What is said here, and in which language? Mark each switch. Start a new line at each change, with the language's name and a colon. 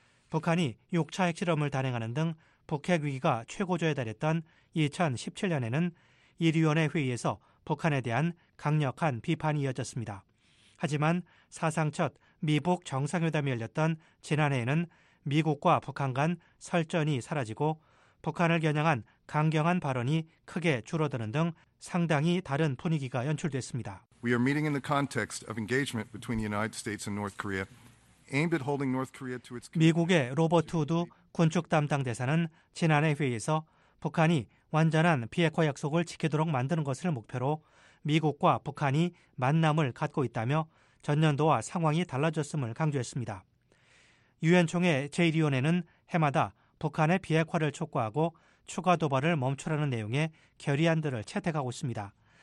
Korean: 북한이 6차 핵실험을 단행하는 등 북핵 위기가 최고조에 달했던 2017년에는 1위원회 회의에서 북한에 대한 강력한 비판이 이어졌습니다. 하지만 사상 첫 미북 정상회담이 열렸던 지난해에는 미국과 북한 간 설전이 사라지고 북한을 겨냥한 강경한 발언이 크게 줄어드는 등 상당히 다른 분위기가 연출됐습니다.
English: We are meeting in the context of engagement between the United States and North Korea, aimed at holding North Korea to its.
Korean: 미국의 로버트 우드 군축 담당 대사는 지난해 회의에서 북한이 완전한 비핵화 약속을 지키도록 만드는 것을 목표로 미국과 북한이 만남을 갖고 있다며 전년도와 상황이 달라졌음을 강조했습니다. 유엔 총회 제1위원회는 해마다 북한의 비핵화를 촉구하고 추가 도발을 멈추라는 내용의 결의안들을 채택하고 있습니다.